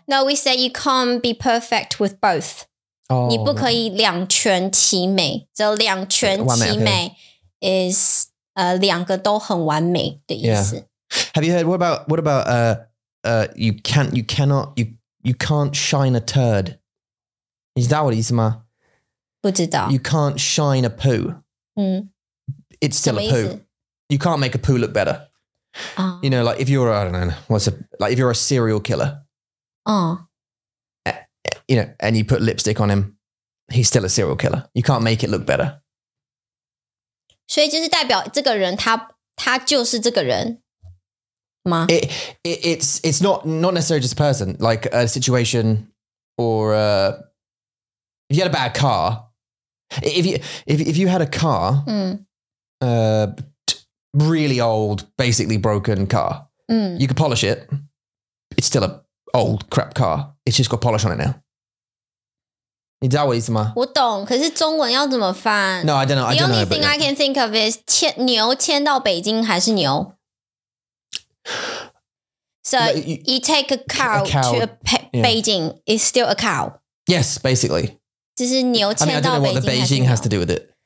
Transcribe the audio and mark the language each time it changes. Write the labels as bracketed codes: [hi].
[en] No, we say you can't be perfect with both. Oh, [zh] 你不可以两全其美只有两全其美 [en] okay. [zh] is 两个都很完美的意思、 [en] yeah. Have you heard, what about you can't shine a turd? Is that [zh] 我的意思吗不知道 [en] You can't shine a poo、嗯、 It's still a poo You can't make a poo look better、You know, like if you're, I don't know, what's a, like if you're a serial killer You know, and you put lipstick on him, he's still a serial killer. You can't make it look better. [zh] 所以就是代表这个人他他就是这个人吗 [en] It's not necessarily just a person, like a situation or a, if you had a bad car, if you had a car,、really old, basically broken car,、you could polish it. It's still a old crap car. It's just got polish on it now. [zh] 你知道我意思吗？我懂，可是中文要怎么翻 [en] ？No, I don't know. The only thing I can think of is [zh] 牵牛牵到北京还是牛 [en] ？So you take a cow to Beijing, it's still a cow. Yes, basically. [zh] 就是牛牵到北京。 [en] I mean, I don't know what the Beijing has to do with it.